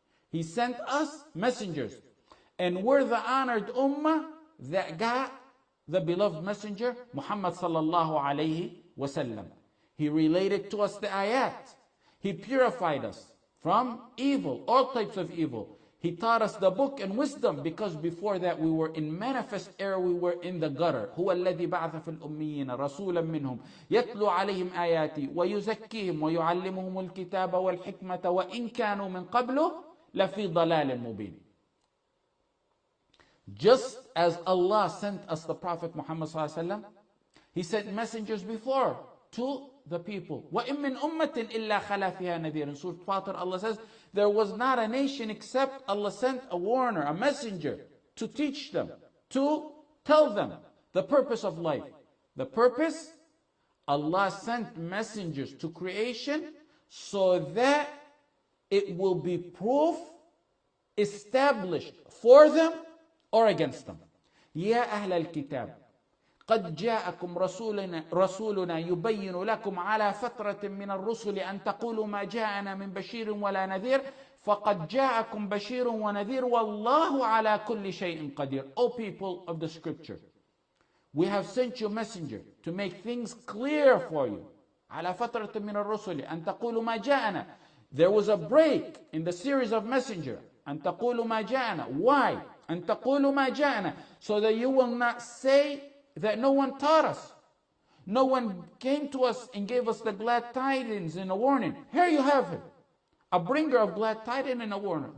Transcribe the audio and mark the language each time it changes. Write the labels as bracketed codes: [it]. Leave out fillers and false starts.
[en] He sent us messengers. And we're the honored ummah that got the beloved messenger, Muhammad sallallahu alayhi wa sallam. He related to us the ayat. He purified us from evil, all types of evil. He taught us the book and wisdom, because before that we were in manifest error, we were in the gutter. [ar] هو الذي بعث في الأميين رسولا منهم يتلو عليهم آياتي ويزكيهم ويعلمهم الكتاب والحكمة وإن كانوا من قبله لفي ضلال مبين. [en] Just as Allah sent us the Prophet Muhammad صلى الله عليه وسلم, He sent messengers before to the people. [ar] وَإِن مِّنْ أُمَّةٍ إِلَّا خَلَى فِيهَا نَذِيرٌ. [en] Surah Fatir, Allah says, there was not a nation except Allah sent a warner, a messenger, to teach them, to tell them the purpose of life. The purpose? Allah sent messengers to creation so that it will be proof established for them or against them. [ar] يَا أَهْلَ الْكِتَابِ قَدْ جَاءَكُمْ رَسُولُنَا يُبَيِّنُ لَكُمْ عَلَى فَتْرَةٍ مِّنَ الرُّسُلِ أَن تَقُولُوا مَا جَاءَنَا مِنْ بَشِيرٍ وَلَا نَذِيرٍ فقد جاءكم بشير ونذير والله على كل شيء قدير. [en] O people of the scripture, we have sent you a messenger to make things clear for you. [ar] على فترة من الرسل أن تقولوا ما جاءنا. [en] There was a break in the series of messenger. [ar] أن تقولوا ما جاءنا. [en] Why? [ar] أن تقولوا ما جاءنا. [en] So that you will not say that no one taught us. No one came to us and gave us the glad tidings and a warning. Here you have him, a bringer of glad tidings and a warning.